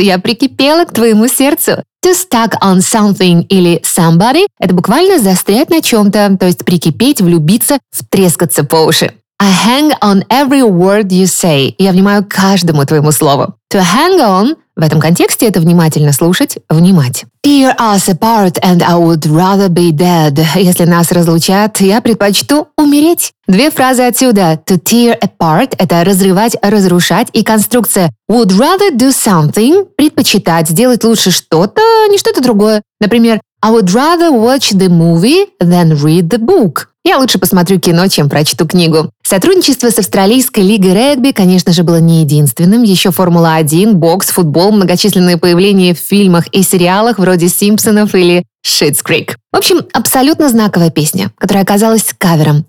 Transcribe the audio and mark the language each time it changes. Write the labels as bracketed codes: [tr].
[ru] Я прикипела к твоему сердцу. [en] To stuck on something [ru] или [en] somebody [ru] – это буквально застрять на чем-то, то есть прикипеть, влюбиться, втрескаться по уши. [en] I hang on every word you say. [ru] Я внимаю каждому твоему слову. [en] To hang on [ru] – в этом контексте это внимательно слушать, внимать. [en] Tear us apart and I would rather be dead. [ru] Если нас разлучат, я предпочту умереть. Две фразы отсюда. [en] To tear apart [ru] – это разрывать, разрушать, и конструкция [en] would rather do something [ru] – предпочитать, сделать лучше что-то, а не что-то другое. Например, [en] I would rather watch the movie than read the book. [ru] Я лучше посмотрю кино, чем прочту книгу. Сотрудничество с Австралийской лигой регби, конечно же, было не единственным. Еще Формула-1, бокс, футбол, многочисленные появления в фильмах и сериалах вроде «Симпсонов» или «Schitt's Creek». В общем, абсолютно знаковая песня, которая оказалась кавером.